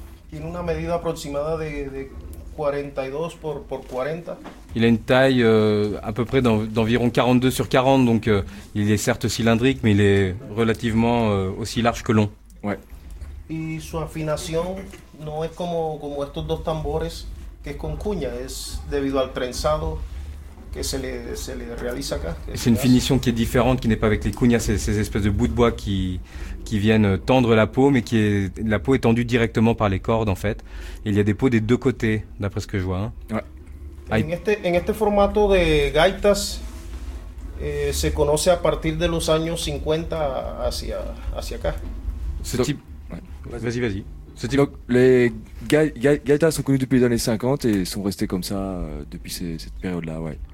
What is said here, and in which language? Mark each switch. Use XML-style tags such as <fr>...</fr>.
<es>Tiene una medida aproximada de 42 por 40.</es> <fr>Il a une taille à peu près d'environ 42 sur 40, donc il est certes cylindrique, mais il est relativement aussi large que long. Ouais.</fr> <es>Y su afinación no es como estos dos tambores que es con cuña, es debido al trenzado.</es> <fr>C'est une finition qui est différente, qui n'est pas avec les cuñas, ces espèces de bouts de bois qui viennent tendre la peau, mais la peau est tendue directement par les cordes en fait. Et il y a des peaux des deux côtés, d'après ce que je vois. Hein. Ouais.</fr> <es>En este formato de gaitas se conoce a partir de los años 50 hacia acá.</es> <fr>Ce type, Vas-y, vas-y. Donc, les gaitas sont connues depuis les années 50 et sont restées comme ça depuis cette période-là, ouais.</fr>